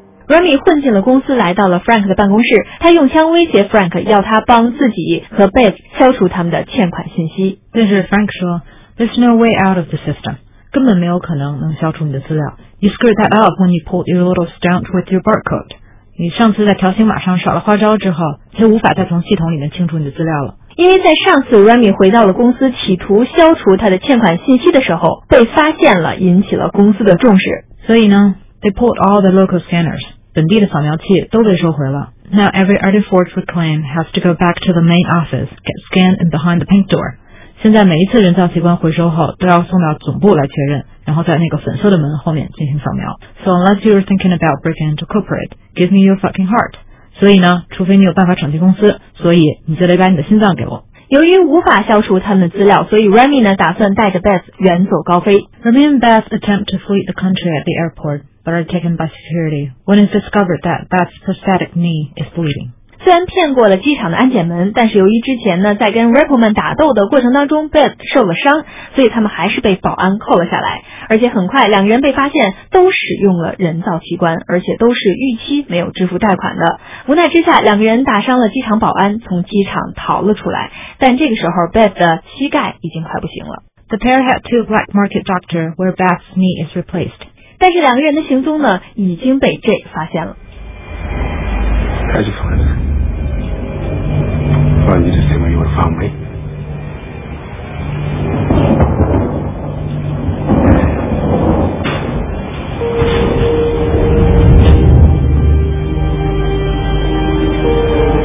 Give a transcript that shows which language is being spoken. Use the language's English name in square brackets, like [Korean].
[Chinese] Remy 混进了公司，来到了 Frank 的办公室，他用枪威胁 Frank， 要他帮自己和 Beth 消除他们的欠款信息。但是 Frank 说 [English] There's no way out of the system， [Chinese] 根本没有可能能消除你的资料。 [English] You screwed that up when you pulled your little stunt with your barcode。 [Chinese] 你上次在条形码上耍了花招之后，就无法再从系统里面清除你的资料了。因为在上次 Remy 回到了公司企图消除他的欠款信息的时候被发现了，引起了公司的重视。所以呢， [English] They pulled all the local scanners. [Chinese] 本地的扫描器都被收回了。 [English] Now every Artiford reclaim has to go back to the main office, get scanned in behind the pink door. [Chinese] 现在每一次人造器官回收后都要送到总部来确认，然后在那个粉色的门后面进行扫描。 [English] So unless you're thinking about breaking into corporate, give me your fucking heart. [Chinese] 所以呢，除非你有办法闯进公司，所以你就得把你的心脏给我。由于无法消除他们的资料，所以 Remy 呢打算带着 Beth 远走高飞。 [English] Remy and Beth attempt to flee the country at the airport, but are taken by security when it's discovered that Beth's prosthetic knee is bleeding. [Chinese] 虽然骗过了机场的安检门，但是由于之前呢在跟 Rippleman 打斗的过程当中 Beth 受了伤，所以他们还是被保安扣了下来。而且很快两人被发现都使用了人造器官，而且都是逾期没有支付贷款的。无奈之下，两个人打伤了机场保安，从机场逃了出来。但这个时候 Beth 的膝盖已经快不行了。 [English] The pair head to a black market doctor where Beth's knee is replaced. [Chinese] 但是两个人的行踪呢已经被 Jay 发现了。 [English] How did you find her? Well, you just said where you would have found me. Thank you.